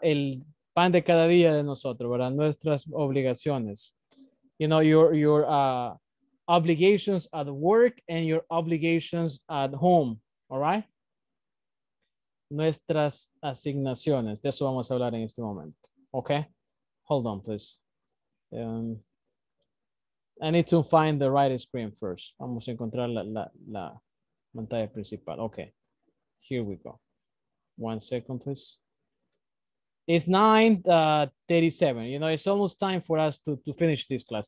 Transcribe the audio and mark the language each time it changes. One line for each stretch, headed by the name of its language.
Spanish: El pan de cada día de nosotros, ¿verdad? Nuestras obligaciones.
English: You know, your obligations at work and your obligations at home, all right?
Spanish: Nuestras asignaciones. De eso vamos a hablar en este momento, okay?
English: Hold on, please. I need to find the right screen first.
Spanish: Vamos a encontrar la pantalla principal.
English: Okay, here we go. One second, please. It's 9:37. You know, it's almost time for us to finish this class.